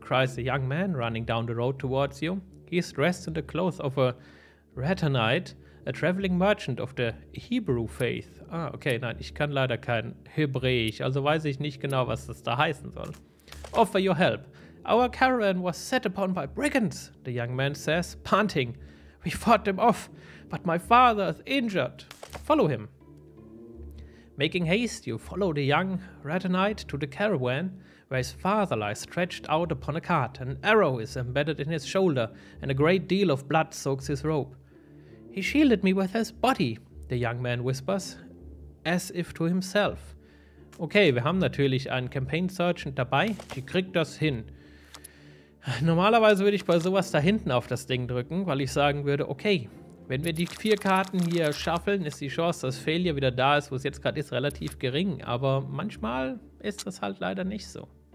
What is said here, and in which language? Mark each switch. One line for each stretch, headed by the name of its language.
English: Cries a young man running down the road towards you. He is dressed in the clothes of a Red Hennite. A traveling merchant of the Hebrew faith.
German: Ah, okay, nein, ich kann leider kein Hebräisch, also weiß ich nicht genau, was das da heißen soll.
English: Offer your help. Our caravan was set upon by brigands, the young man says, panting. We fought them off, but my father is injured. Follow him. Making haste, you follow the young Ratanite to the caravan, where his father lies stretched out upon a cart. An arrow is embedded in his shoulder, and a great deal of blood soaks his robe. He shielded me with his body, the young man whispers, as if to himself.
German: Okay, wir haben natürlich einen Campaign Sergeant dabei. Die kriegt das hin. Normalerweise würde ich bei sowas da hinten auf das Ding drücken, weil ich sagen würde, okay, wenn wir die vier Karten hier shuffeln, ist die Chance, dass Failure wieder da ist, wo es jetzt gerade ist, relativ gering. Aber manchmal ist das halt leider nicht so.